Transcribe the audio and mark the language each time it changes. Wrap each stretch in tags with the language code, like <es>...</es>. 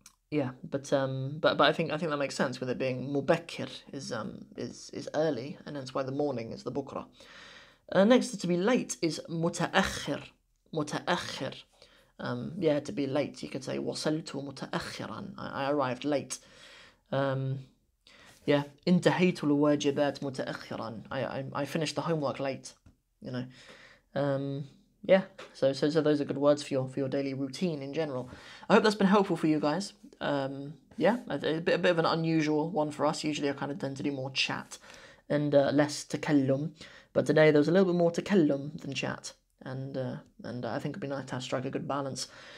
<en>Yeah, but I think that makes sense, with it being مبكر is early, and that's why the morning is the بكرة. Next, to be late is</en> <ar>متأخر, متأخر.</ar> <en>Yeah, to be late, you could say</en> <ar>وصلت متأخرا.</ar> <en>I arrived late. Yeah,</en> <ar>انتهيت الواجبات متأخرا.</ar> <en>I finished the homework late, Yeah, so those are good words for your daily routine in general. I hope that's been helpful for you guys. Yeah, a bit of an unusual one for us. Usually, I kind of tend to do more chat and less tekellum, but today there was a little bit more tekellum than chat, and I think it'd be nice to strike a good balance.</en>